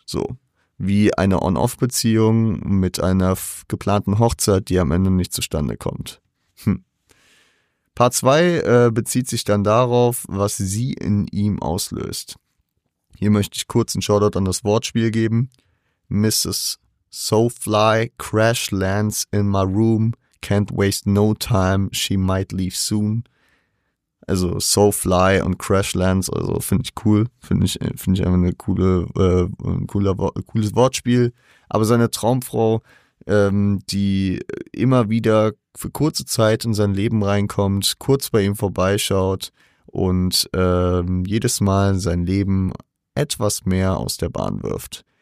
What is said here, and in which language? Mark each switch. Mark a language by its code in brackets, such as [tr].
[de] So wie eine On-Off-Beziehung mit einer geplanten Hochzeit, die am Ende nicht zustande kommt. Part 2 bezieht sich dann darauf, was sie in ihm auslöst. Hier möchte ich kurz einen Shoutout an das Wortspiel geben. [en] Mrs. Sofly crash lands in my room, can't waste no time, she might leave soon. [de] Also Sofly und crash lands, also finde ich cool, finde ich einfach ein cooles Wortspiel. Aber seine Traumfrau, die immer wieder für kurze Zeit in sein Leben reinkommt, kurz bei ihm vorbeischaut und jedes Mal sein Leben etwas mehr aus der Bahn wirft.